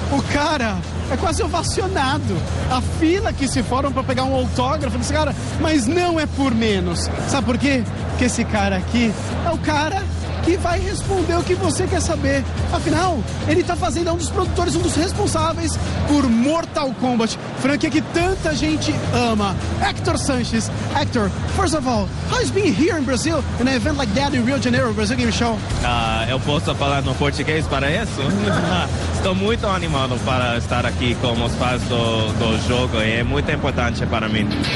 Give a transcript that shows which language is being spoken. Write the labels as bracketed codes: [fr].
[pt] O cara é quase ovacionado. A fila que se forma para pegar um autógrafo desse cara, mas não é por menos. Sabe por quê? Porque esse cara aqui é o cara que vai responder o que você quer saber. Afinal, ele tá fazendo um dos produtores, um dos responsáveis por Mortal Kombat, franquia que tanta gente ama. Hector Sanches. [en] Hector, first of all, how is being here in Brazil in an event like that in Rio de Janeiro, Brazil Game Show? [pt] Eu posso falar no português para isso? Estou muito animado para estar aqui com os fãs do jogo e é muito importante para mim.